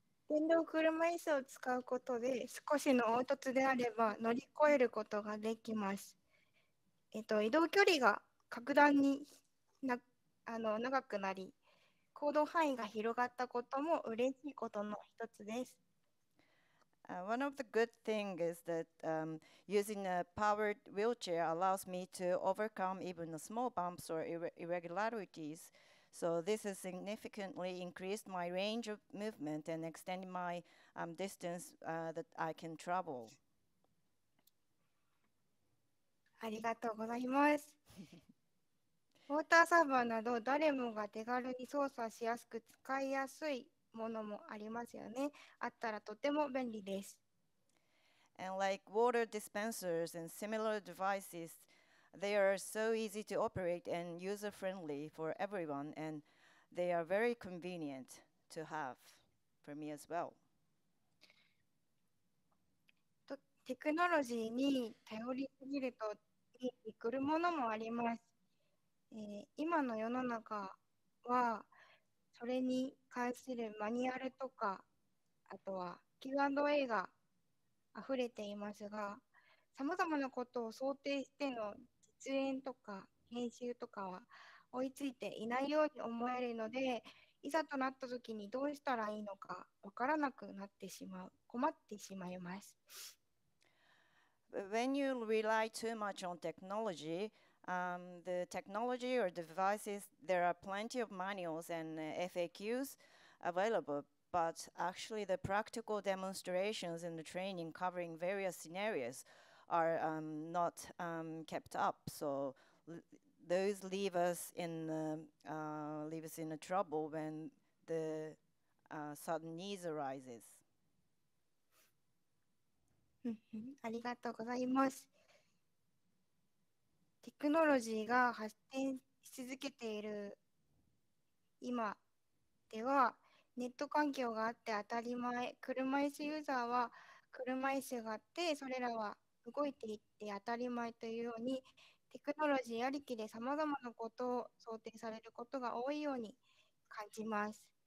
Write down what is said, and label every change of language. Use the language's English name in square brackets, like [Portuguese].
[English] One of the good things is that using a powered wheelchair allows me to overcome even the small bumps or irregularities. So this has significantly increased my range of movement and extended my distance that I can travel. [Japanese] ありがとうございます。ウォーターサーバーなど誰もが手軽に操作しやすく使いやすいものもありますよね。あったらとても便利です。 [English] And like water dispensers and similar devices,They are so easy to operate and user-friendly for everyone, and they are very convenient to have for me as well. [Japanese] テクノロジーに頼りすぎると見てくるものもあります。今の世の中はそれに関するマニュアルとか、あとは Q&A があふれていますが、さまざまなことを想定しての出演とか編集とかは追いついていないように思えるので、いざとなった時にどうしたらいいのかわからなくなってしまう、困ってしまいます。 [English] When you rely too much on technology, the technology or devices, there are plenty of manuals and FAQs available, but actually the practical demonstrations and the training covering various scenarios. Are not kept up, so those leave us in a trouble when the sudden needs arises. [Japanese] ありがとうございます。テクノロジーが発展し続けている今では、ネット環境があって当たり前、車椅子ユーザーは車椅子があって、それらは動いていって当たり前というようにテクノロジーありきでさまざまなことを想定されることが多いように感じます。